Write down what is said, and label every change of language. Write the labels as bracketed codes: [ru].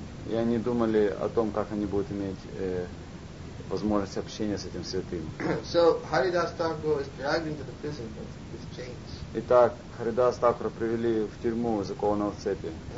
[ru] И они думали о том, как они будут иметь возможность общения с этим святым. [en] So Haridas Thakur was dragged into the prison with chains. [ru] Итак, Харидас Такура привели в тюрьму, закованного в цепи.